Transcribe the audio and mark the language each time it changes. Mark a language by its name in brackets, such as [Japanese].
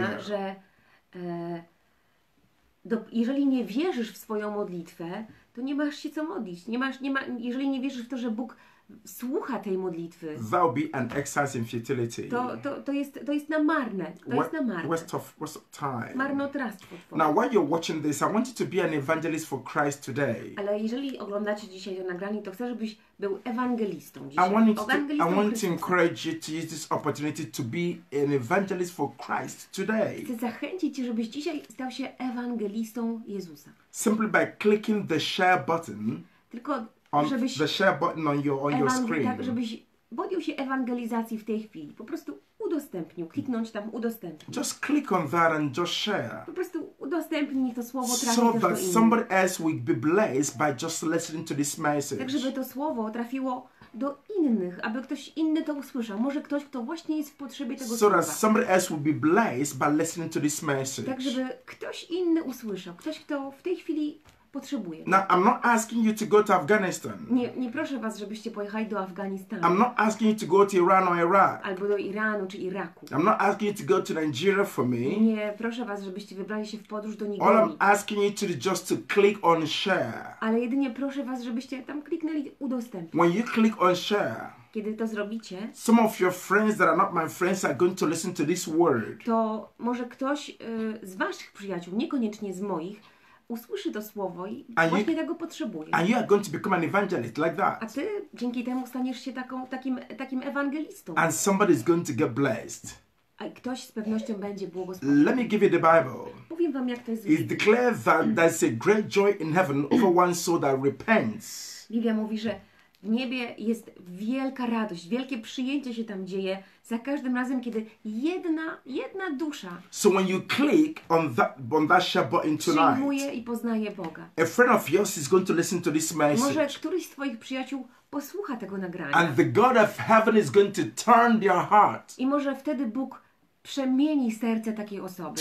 [Polish] Do tego stopnia, że jeżeli nie wierzysz w swoją modlitwę, to nie masz się co modlić. Jeżeli nie wierzysz w to, że Bóg słucha tej modlitwy, [English] that would be an exercise in futility. [Polish] To jest na marne. [English] Waste of time. [Polish] Marnotrawstwo. [English] Now while you're watching this, I want you to be an evangelist for Christ today. [Polish] Ale jeżeli oglądacie dzisiaj to nagranie, to chcę, żebyś był ewangelistą dzisiaj. [English] I want to encourage you to use this opportunity to be an evangelist for Christ today. [Polish] Chcę zachęcić cię, żebyś dzisiaj stał się ewangelistą Jezusa. [English] Simply by clicking the share button. [Polish] Tylko [English] the share button on your screen. [Polish] Tak, żebyś podjął się ewangelizacji w tej chwili. Po prostu udostępnił, kliknąć tam udostępnij. [English] Just click on that and just share. [Polish] Po prostu udostępnij to słowo, trafi [English] so [Polish] też do innych. [English] So that somebody else will be blessed by just listening to this message. [Polish] Tak, żeby to słowo trafiło do innych, aby ktoś inny to usłyszał. Może ktoś, kto właśnie jest w potrzebie tego słowa. [English] So that somebody else will be blessed by listening to this message. [Polish] Tak, żeby ktoś inny usłyszał. Ktoś, kto w tej chwili potrzebuje. [English] Now, I'm not asking you to go to Afghanistan. [Polish] Nie proszę was, żebyście pojechali do Afganistanu. [English] I'm not asking you to go to Iran or Iraq. [Polish] Albo do Iranu czy Iraku. [English] I'm not asking you to go to Nigeria for me. [Polish] Nie proszę was, żebyście wybrali się w podróż do Nigerii. [English] All I'm asking you to just to click on share. [Polish] Ale jedynie proszę was, żebyście tam kliknęli udostępnić. [English] When you click on share. [Polish] Kiedy to zrobicie? [English] Some of your friends that are not my friends are going to listen to this word. [Polish] To może ktoś z waszych przyjaciół, niekoniecznie z moich, usłyszy to słowo i właśnie tego potrzebuje. [English] And you are going to become an evangelist like that. [Polish] A ty dzięki temu staniesz się takim ewangelistą. [English] And somebody is going to get blessed. [Polish] A ktoś z pewnością będzie błogosławiony. [English] Let me give you the Bible. [Polish] Powiem wam, jak to jest. [English] It declares that there's a great joy in heaven over one soul that repents. [Polish] Biblia mówi, że w niebie jest wielka radość, wielkie przyjęcie się tam dzieje za każdym razem, kiedy jedna dusza. [English] So when you click on that share button tonight. [Polish] Przyjmuje i poznaje Boga. [English] A friend of yours is going to listen to this message. [Polish] Może któryś z twoich przyjaciół posłucha tego nagrania. [English] And the God of heaven is going to turn their heart. [Polish] I może wtedy Bóg przemieni serce takiej osoby.